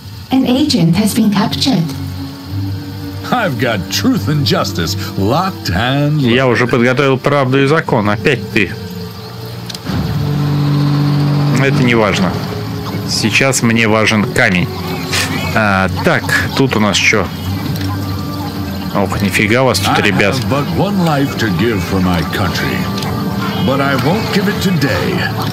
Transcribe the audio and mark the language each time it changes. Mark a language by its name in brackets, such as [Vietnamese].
[English] An agent has been captured. I've got truth and justice locked and loaded. [Russian] Я уже подготовил правду и закон. Опять ты. Это не важно. Сейчас мне важен камень. А, так, тут у нас что? Ох, нифига у вас тут, ребят. [English] I have but one life to give for my country, but I won't give it today.